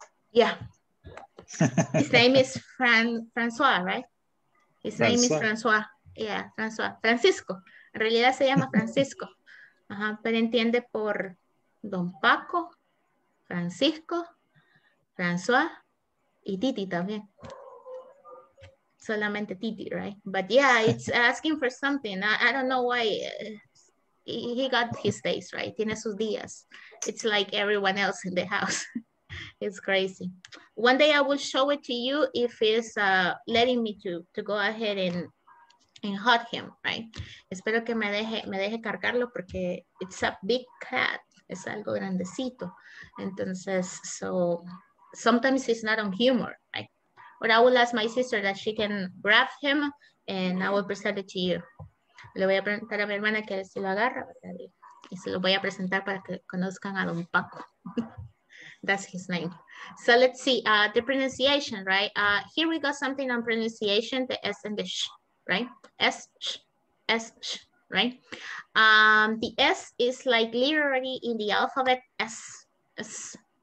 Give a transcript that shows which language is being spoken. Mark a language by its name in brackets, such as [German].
[English] Yeah. His name is Francois, right? His Francois. Name is Francois. Yeah, Francois. Francisco. [Spanish] En realidad se llama Francisco. Ajá, pero entiende por Don Paco, Francisco, Francois y Titi también. [English] Solamente Titi, right? But yeah, it's asking for something. I don't know why he got his days, right? [Spanish] Tiene sus días. [English] It's like everyone else in the house. It's crazy. One day I will show it to you if it's letting me to go ahead and hug him, right? [Spanish] Espero que me deje cargarlo porque [English] it's a big cat. [Spanish] Es algo grandecito. Entonces, [English] so sometimes it's not on humor, right? But I will ask my sister that she can grab him and I will present it to you. [Spanish] Le voy a preguntar a mi hermana que si lo agarra, ¿verdad? Y se lo voy a presentar para que conozcan a Don Paco. [English] That's his name. So let's see, the pronunciation, right? Here we got something on pronunciation, the S and the Sh, right? S, Sh, right? The S is like literally in the alphabet, S.